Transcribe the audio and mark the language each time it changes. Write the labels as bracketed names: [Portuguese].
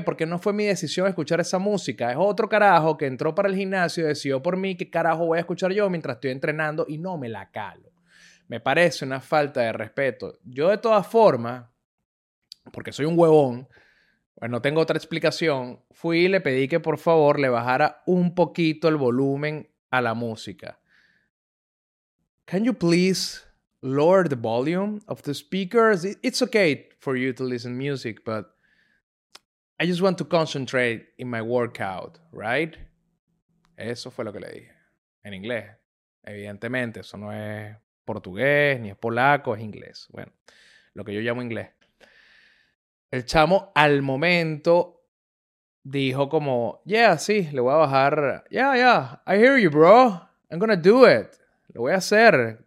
[Spanish] Porque no fue mi decisión escuchar esa música. Es otro carajo que entró para el gimnasio y decidió por mí qué carajo voy a escuchar yo mientras estoy entrenando y no me la calo. Me parece una falta de respeto. Yo de todas formas, porque soy un huevón, pues no tengo otra explicación, fui y le pedí que por favor le bajara un poquito el volumen a la música. [English] Can you please lower the volume of the speakers? It's okay for you to listen music, but I just want to concentrate in my workout, right? [Spanish] Eso fue lo que le dije. En inglés. Evidentemente, eso no es... portugués, ni es polaco, es inglés. Bueno, lo que yo llamo inglés. El chamo al momento dijo como, yeah, sí, le voy a bajar. [English] Yeah, yeah, I hear you, bro. I'm gonna do it. [Spanish] Lo voy a hacer.